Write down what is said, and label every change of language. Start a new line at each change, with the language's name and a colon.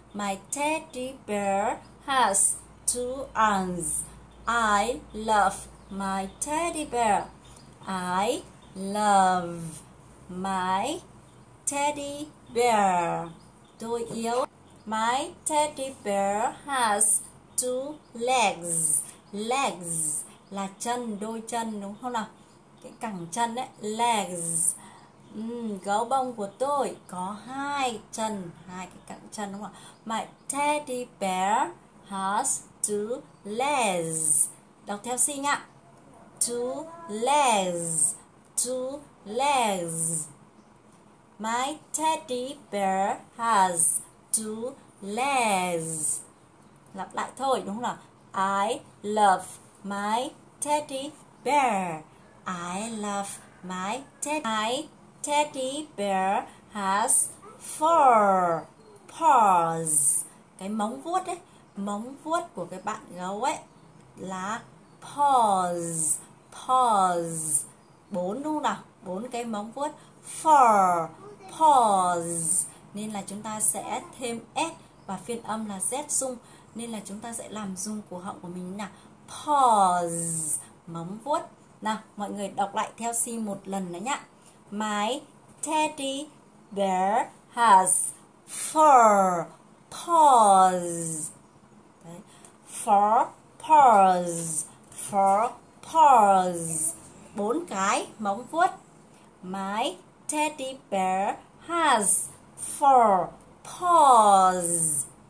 English: My teddy bear has two arms. I love my teddy bear. I love my teddy bear.
Vietnamese: Tôi yêu.
English: My teddy bear has two legs.
Vietnamese: Legs là chân, đôi chân đúng không nào? Cái cẳng chân ấy, legs. Gấu bông của tôi có hai chân, hai cái cẳng chân đúng không ạ?
English: My teddy bear has two legs.
Vietnamese: Đọc theo sinh ạ.
English: Two legs. Two legs. My teddy bear has two legs.
Vietnamese: Lặp lại thôi đúng không nào?
English: I love my teddy bear. I love my teddy. My teddy bear has four paws.
Vietnamese: Cái móng vuốt ấy, móng vuốt của cái bạn gấu ấy là paws. Paws. Bốn đúng không nào? Bốn cái móng vuốt.
English: Four paws.
Vietnamese: Nên là chúng ta sẽ thêm s và phiên âm là z rung. Nên là chúng ta sẽ làm rung cổ họng của mình nào. Paws. Móng vuốt. Nào, mọi người đọc lại theo xin một lần nữa nhá.
English: My teddy bear has four paws. Đấy. Four paws. Four paws.
Vietnamese: Bốn cái móng vuốt.
English: My teddy bear has four paws.